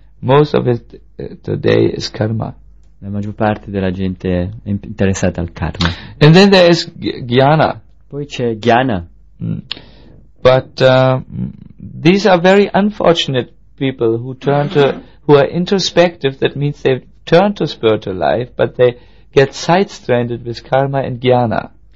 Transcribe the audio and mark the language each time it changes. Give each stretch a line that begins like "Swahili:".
English: Most of it today is karma.
Italian: La maggior parte della gente è interessata al karma.
English: And then there is jnana.
Italian: Poi c'è jnana.
English: But these are very unfortunate people who turn to who are introspective. That means they turn to spiritual life, but they get side-stranded with karma and jnana.